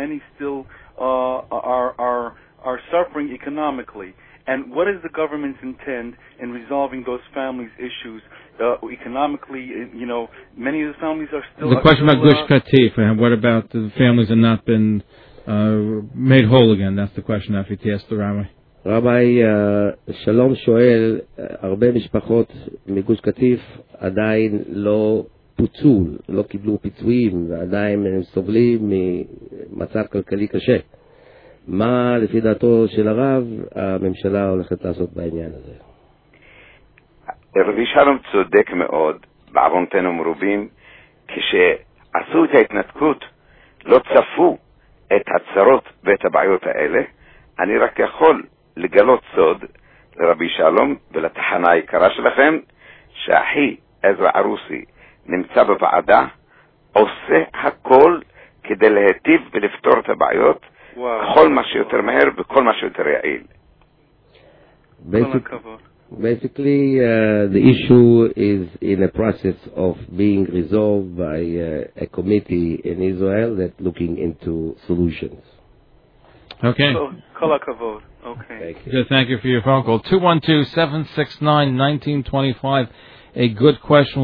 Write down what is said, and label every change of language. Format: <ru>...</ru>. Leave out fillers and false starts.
<en>Many still are suffering economically. And what is the government's intent in resolving those families' issues economically? You know, many of the families are still. The question about Gush Katif, and what about the families that have not been made whole again? That's the question that he asked the rabbi.</en> <he>רבי שלום שואל, הרבה משפחות מגוש קטיף עדיין לא פוצול, לא קיבלו פיצויים, ועדיין הם סובלים ממצב כלכלי קשה. מה לפי דעתו של הרב הממשלה הולכת לעשות בעניין הזה? רבי שלום צודק מאוד, בעוונותינו מרובים, כשעשו את ההתנתקות לא צפו את הצרות ואת הבעיות האלה. אני רק יכול לגלות סוד לרבי שלום ולתחנה היקרה שלכם, שאחי עזרא ערוסי נמצא בוועדה, עושה הכל כדי להטיב ולפתור את הבעיות, כל מה שיותר מהר וכל מה שיותר יעיל.</he> <en>Basically, the issue is in a process of being resolved by a committee in Israel that looking into solutions. Okay. Kol hakavod. Okay. Thank you for your phone call. 212-769-1925. A good question.</en>